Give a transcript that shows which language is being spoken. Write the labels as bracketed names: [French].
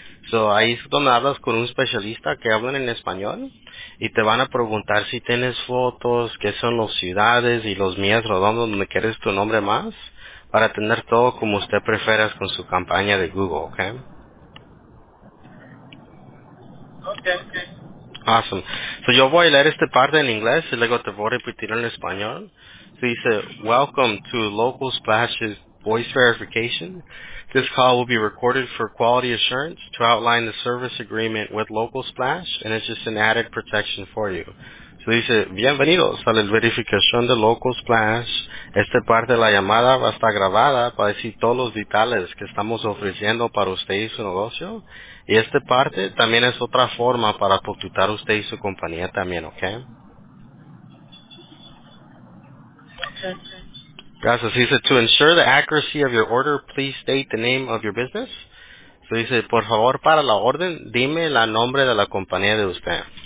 [Spanish] So, ahí es donde hablas con un especialista que hablan en español y te van a preguntar si tienes fotos, qué son las ciudades y los Mías Rodondo donde quieres tu nombre más para tener todo como usted prefieras con su campaña de Google, ¿ok? [English] Okay. Awesome. [Spanish] So, yo voy a leer esta parte en inglés y luego te voy a repetir en español. [English] So, dice, welcome to Local Splash's voice verification. This call will be recorded for quality assurance to outline the service agreement with Local Splash, and it's just an added protection for you. So [Spanish] Dice, bienvenidos a la verificación de Local Splash. Esta parte de la llamada va a estar grabada para decir todos los detalles que estamos ofreciendo para usted y su negocio. Y esta parte también es otra forma para contactar usted y su compañía también, ¿ok? Gracias. [English] Dice, to ensure the accuracy of your order, please state the name of your business. [Spanish] So dice, por favor, para la orden, dime el nombre de la compañía de usted.